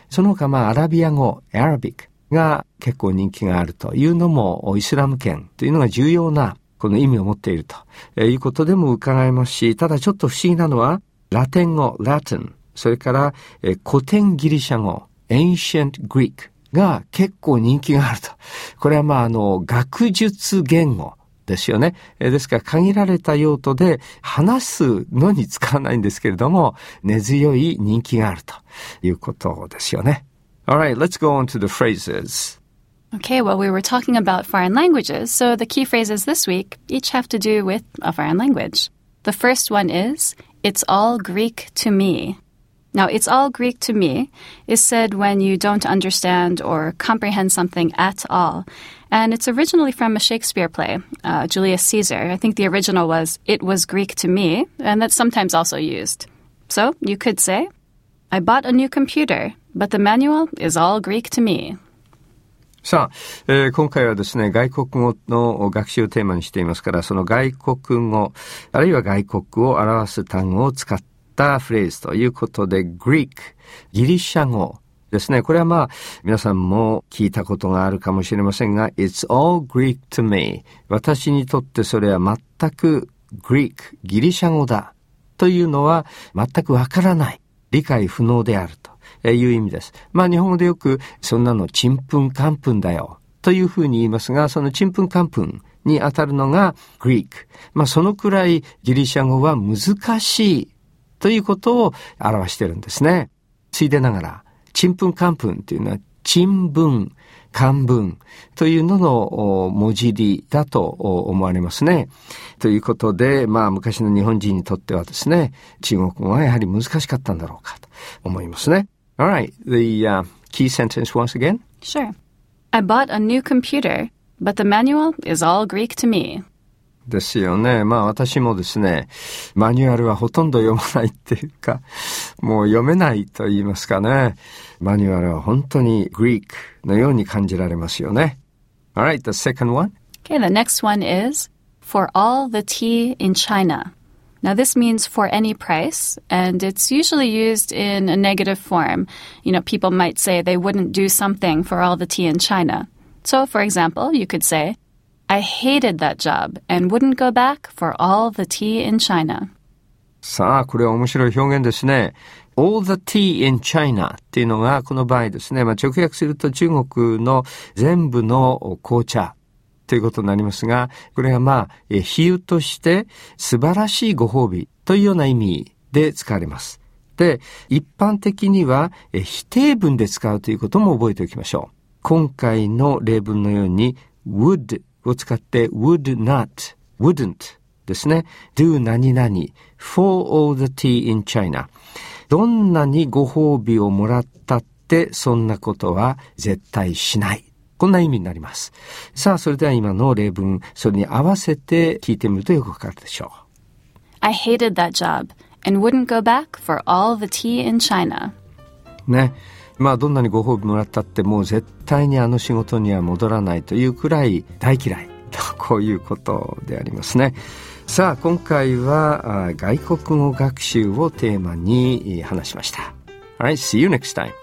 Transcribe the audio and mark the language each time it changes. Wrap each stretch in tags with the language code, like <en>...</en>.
<ja>その他まあアラビア語、アラビックが結構人気があるというのも、イスラム圏というのが重要なこの意味を持っているということでも伺えますし、ただちょっと不思議なのはラテン語、ラテン、それから古典ギリシャ語、Ancient Greek が結構人気があると。これはまあ学術言語ですよね。ですから限られた用途で話すのに使わないんですけれども、根強い人気があるということですよね。</ja> <en>Alright, let's go on to the phrases. Okay, well, we were talking about foreign languages, so the key phrases this week each have to do with a foreign language. The first one is, it's all Greek to me. Now, it's all Greek to me is said when you don't understand or comprehend something at all. And it's originally from a Shakespeare play, Julius Caesar. I think the original was, it was Greek to me, and that's sometimes also used. So, you could say, I bought a new computer, but the manual is all Greek to me.</en> <ja>さあ、今回はですね、外国語の学習をテーマにしていますから、その外国語、あるいは外国を表す単語を使って、フレーズということで、 Greek、 ギリシャ語ですね。これはまあ皆さんも聞いたことがあるかもしれませんが、</ja> <en>It's all Greek to me、</en> <ja>私にとってそれは全く Greek、 ギリシャ語だというのは全くわからない、理解不能であるという意味です。まあ日本語でよくそんなのチンプンカンプンだよというふうに言いますが、そのチンプンカンプンに当たるのが Greek、 まあそのくらいギリシャ語は難しいということを表してるんですね。ついでながら、チンプンカンプンというのは、チンブン、カンブンというのの文字入りだと思われますね。ということで、まあ昔の日本人にとってはですね、中国語はやはり難しかったんだろうかと思いますね。</ja> <en>Alright, the key sentence once again. Sure. I bought a new computer, but the manual is all Greek to me.</en> <ja>ですよね。まあ私もですね、マニュアルはほとんど読まないっていうか、もう読めないと言いますかね。マニュアルは本当にグリークのように感じられますよね。</ja> <en>Alright, the second one. Okay, the next one is, for all the tea in China. Now this means for any price, and it's usually used in a negative form. You know, people might say they wouldn't do something for all the tea in China. So, for example, you could say,I hated that job and wouldn't go back for all the tea in China.</en> <ja>さあ、これは面白い表現ですね。</ja> <en>All the tea in China</en> <ja>っていうのがこの場合ですね、まあ、直訳すると中国の全部の紅茶ということになりますが、これはまあ比喩として素晴らしいご褒美というような意味で使われます。で、一般的には否定文で使うということも覚えておきましょう。今回の例文のように would を使って would not, wouldn't ですね。 do 何々</ja> <en>for all the tea in China。</en> <ja>どんなにご褒美をもらったってそんなことは絶対しない、こんな意味になります。さあ、それでは今の例文、それに合わせて聞いてみるとよくわかるでしょう。</ja> <en>I hated that job and wouldn't go back for all the tea in China。</en> <ja>ね、まあどんなにご褒美もらったってもう絶対対にあの仕事には戻らないというくらい大嫌いと、こういうことでありますね。さあ今回は外国語学習をテーマに話しました。</ja> <en>Alright, see you next time.</en>